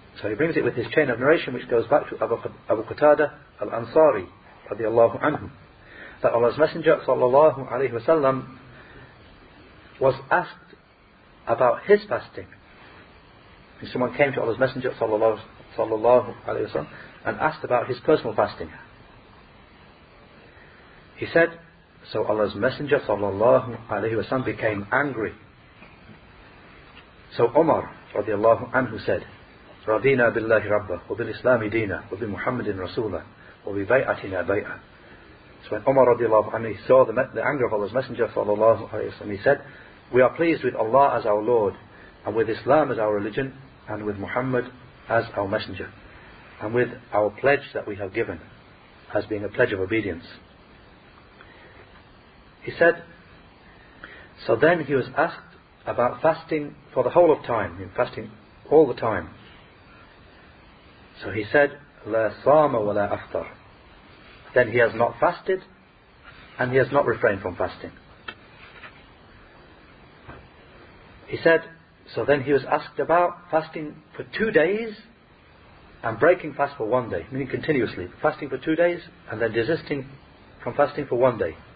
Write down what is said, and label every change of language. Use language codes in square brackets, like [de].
[en] So he brings it with his chain of narration, which goes back to Abu Qatada al-Ansari radiallahu anhu, that Allah's Messenger sallallahu alayhi wa sallam was asked about his fasting. And someone came to Allah's Messenger sallallahu alayhi wa sallam and asked about his personal fasting. He said, so Allah's Messenger sallallahu alayhi wa sallam became angry. So Umar radiallahu anhu said, [ar] رَضِينَا بِاللَّهِ رَبَّهُ وَبِالْإِسْلَامِ دِينَا وَبِمُحَمَّدٍ رَسُولًا وَبِبَيْعَةٍ بَيْعًا. [en] So when Umar radiallahu anhu saw the anger of Allah's Messenger sallallahu alayhi wa sallam, he said, we are pleased with Allah as our Lord, and with Islam as our religion, and with Muhammad as our Messenger, and with our pledge that we have given as being a pledge of obedience. He said, so then he was asked about fasting for the whole of time, in fasting all the time. So he said, [ar] لَا صَامَ وَلَا أَفْطَرَ. [en] Then he has not fasted, and he has not refrained from fasting. He said, so then he was asked about fasting for 2 days, and breaking fast for 1 day, meaning continuously, fasting for 2 days, and then desisting from fasting for 1 day.